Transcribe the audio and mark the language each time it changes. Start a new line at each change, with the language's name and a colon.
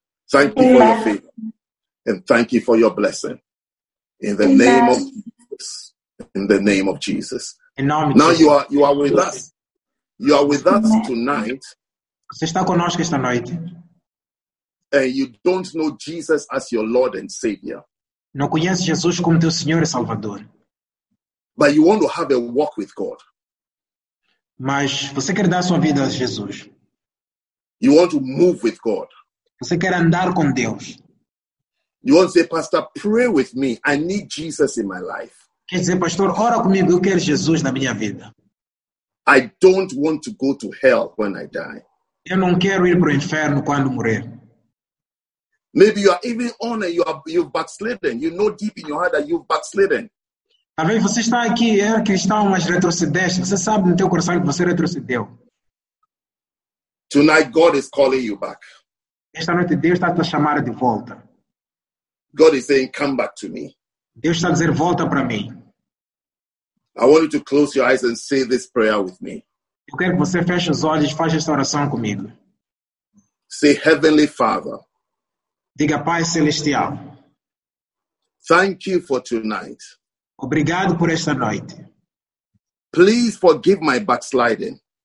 English: Thank you for your favor. And thank you for your blessing. In the name of Jesus. In the name of Jesus. Now you are with us. You are with us tonight.
Portuguese: Você está conosco esta noite.
English: And you don't know Jesus as your Lord and Savior.
Portuguese: Não conhece Jesus como teu Senhor e Salvador.
English: But you want to have a walk with God.
Portuguese: Mas você quer dar sua vida a Jesus.
English: You want to move with God.
Portuguese: Você quer andar com Deus.
English: You want to say, Pastor, pray with me. I need Jesus in my life.
Portuguese: Quer dizer, pastor, ora comigo. Eu quero Jesus na minha vida.
English: I don't want to go to hell when I die.
Portuguese: Eu não quero ir para o inferno quando morrer.
English: Maybe you are even on and you've backslidden. You know deep in your heart that you've backslidden.
Portuguese: Talvez você está aqui, é cristão, mas retrocedeste. Você sabe no teu coração que você retrocedeu.
English: Tonight God is calling you back.
Portuguese: Esta noite Deus está te chamando de volta.
English: God is saying, come back to me.
Portuguese: Deus está dizendo, volta para mim.
English: I want you to close your eyes and say this prayer with me.
Portuguese: Eu quero que você feche os olhos e faça esta oração comigo.
English: Say, Heavenly Father.
Portuguese: Diga, Pai Celestial.
English: Thank you for tonight.
Portuguese: Obrigado por esta noite.
English: Please forgive my backsliding.